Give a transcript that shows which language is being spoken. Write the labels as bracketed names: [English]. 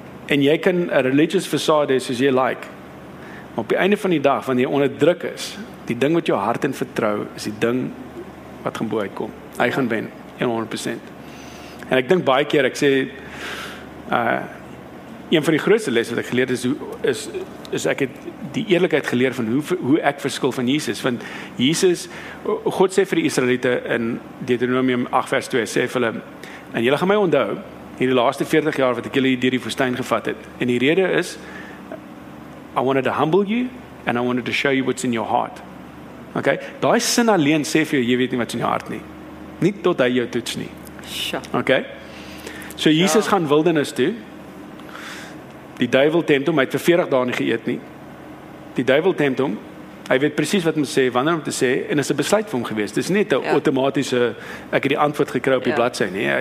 [Afrikaans] En jy kan een [English] religious facade [Afrikaans] soos jy like, maar op die einde van die dag, wanneer jy onder druk is, die ding wat jou hart in vertrou, is die ding wat gaan boe uitkom. Hy gaan wen, 100%. En ek dink baie keer, ek sê, een van die grootste les wat ek geleer is, is ek het die eerlijkheid geleer van hoe ek verskil van Jesus. Want Jesus, God sê vir die Israelite in Deuteronomium 8 vers 2, sê vir hulle, en julle gaan my onthou, in die laaste 40 jaar wat ek julle dier die woestyn gevat het. En die rede is, [English] I wanted to humble you, and I wanted to show you what's in your heart. [Afrikaans] Okay? Daai sin alleen sê vir jou, jy weet nie wat's in jou hart nie. Nie tot hy jou toets nie. Okay. So Jesus gaan wildernis toe. Die duivel tempt hom, hy het vir 40 dae nie geëet nie. Die duivel tempt hom, Hy weet presies wat om te sê, wanneer om te sê, en is 'n besluit vir hom gewees. Dis net 'n automatiese, ek het die antwoord gekry op die bladsy, nie.